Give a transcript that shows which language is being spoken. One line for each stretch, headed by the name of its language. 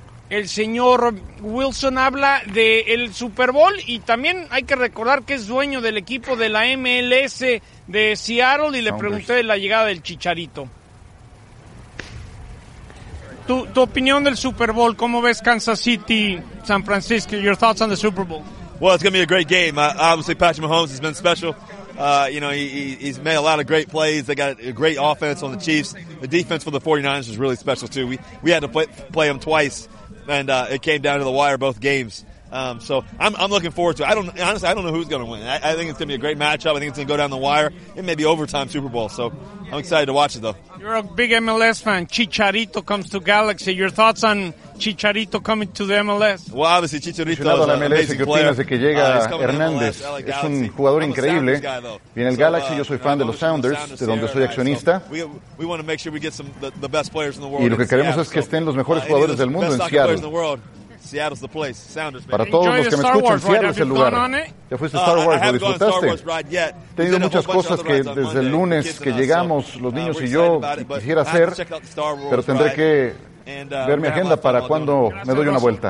Spanish: El señor Wilson habla del Super Bowl y también hay que recordar que es dueño del equipo de la MLS de Seattle, y le pregunté de la llegada del Chicharito. Tu opinión del Super Bowl, ¿cómo ves Kansas City, San Francisco?
English: Your thoughts on the Super Bowl? Well, it's going to be a great game. Obviously, Patrick Mahomes has been special. He's made a lot of great plays. They got a great offense on the Chiefs. The defense for the 49ers is really special, too. We had to play them twice, and it came down to the wire both games. So I'm looking forward to it. I don't know who's going to win. I think it's going to be a great matchup. I think it's going to go down the wire. It may be overtime Super Bowl, so I'm excited to watch it, though. You're a big MLS fan. Chicharito comes to Galaxy. Your thoughts on Chicharito coming to the MLS? Well, obviously, Chicharito is an amazing player.
Spanish: Desde que llega Hernández, es un jugador increíble. Viene el Galaxy, yo soy fan de los Sounders, de donde soy accionista.
English: We want to make sure we get the best players in the world.
Spanish: Y lo que queremos es que estén los mejores jugadores del mundo en Seattle.
English: Seattle's the place. Sounders,
Spanish: para todos los que me escuchan, Seattle es el lugar. ¿Ya fuiste a Star Wars? ¿Lo disfrutaste? He tenido muchas cosas que desde el lunes que llegamos, los niños y yo, quisiera hacer, pero tendré que ver mi agenda para cuando me doy una vuelta.